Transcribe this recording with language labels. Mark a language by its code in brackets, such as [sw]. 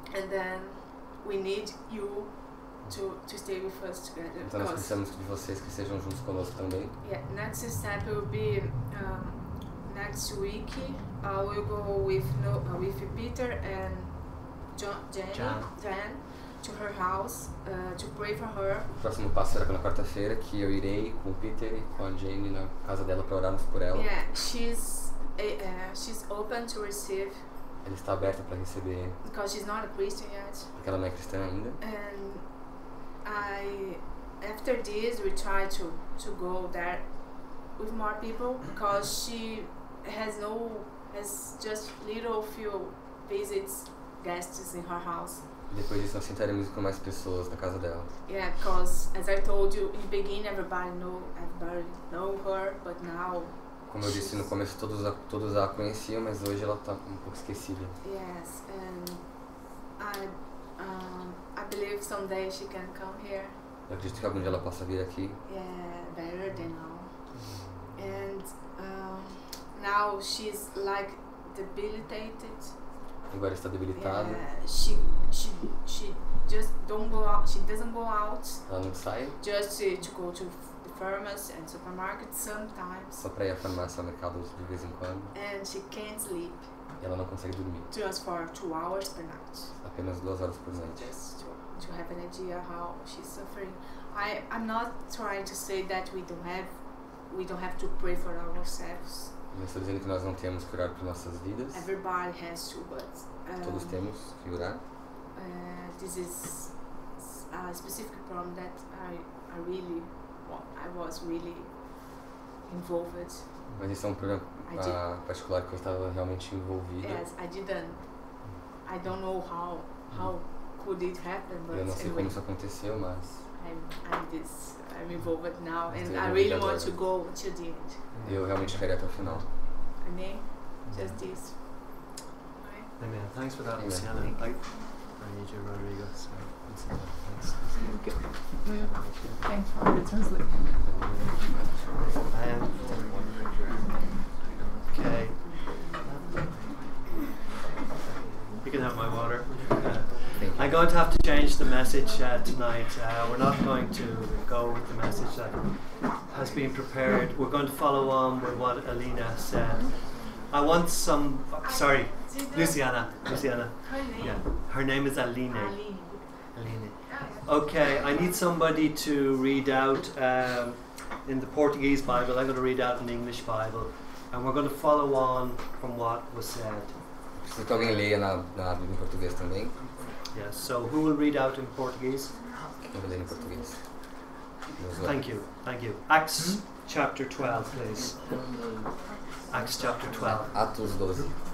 [en] And then we need you to stay with us together. [pt] Então nós precisamos de vocês que sejam juntos conosco também. [en] Yeah, next step will be. Next week, we'll go with Peter and Jan to her house to pray for her. [pt] O próximo passo será na quarta-feira que eu irei com Peter e com a Jane na casa dela para orarmos por ela. [en] Yeah, she's open to receive. [pt] Ela está aberta para receber. [en] Because she's not a Christian yet. [pt] Porque ela não é cristã ainda. [en] And I, after this, we try to go there. With more people, because she has just little few visits, guests in her house. [pt] Depois disso, nós sentaremos com mais pessoas na casa dela. [en] Yeah, because as I told you in the beginning, everybody know her, but now. [pt] Como eu disse no começo, todos a conheciam, mas hoje ela está um pouco esquecida. [en] Yes, and I believe someday she can come here. [pt] Eu acredito que algum dia ela possa vir aqui. [en] Yeah, better than now. And now she's like debilitated. [pt] Agora está debilitada. [en] She just don't go out. She doesn't go out. [pt] Ela não sai. [en] Just to go to the pharmacy and supermarket sometimes. [pt] Só para ir à farmácia, ao mercado de vez em quando. [en] And she can't sleep. [pt] E ela não consegue dormir. [en] Just for 2 hours per night. [pt] Apenas 2 horas por noite. [en] Just to have an idea how she's suffering. I'm not trying to say that we don't have to pray for ourselves. [pt] Mas estou dizendo que nós não temos que orar por nossas vidas. [en] Everybody has to, but [pt] todos temos que orar. [en] This is a specific problem that I was really involved. [pt] Mas isso é um problema particular que eu estava realmente envolvido. [en] Yes, I didn't. I don't know how could it happen, but [pt] eu não sei [en] anyway. [pt] Como isso aconteceu, mas [en] I'm involved now, and I really want to go to the end. [pt] Eu realmente quero ir até o final. [en] Amém? Just this. Amém. Thanks for that, Luciana. I need you, Rodrigo, so it's enough. Thanks. Thanks for the translate. I am. Okay. You can have my water. I'm going to have to change the message tonight. We're not going to go with the message that has been prepared. We're going to follow on with what Alina said. I want some. Sorry, Luciana. Luciana. Her name. Yeah. Her name is Aline. Aline. Okay, I need somebody to read out in the Portuguese Bible. I'm going to read out in the English Bible. And we're going to follow on from what was said. [pt] Precisa que alguém leia na Bíblia em português também? [en] Yes, so who will read out in Portuguese? [pt] Eu vou ler em português. [en] Thank you, thank you. Acts chapter 12, please. Acts chapter 12. [pt] Atos 12.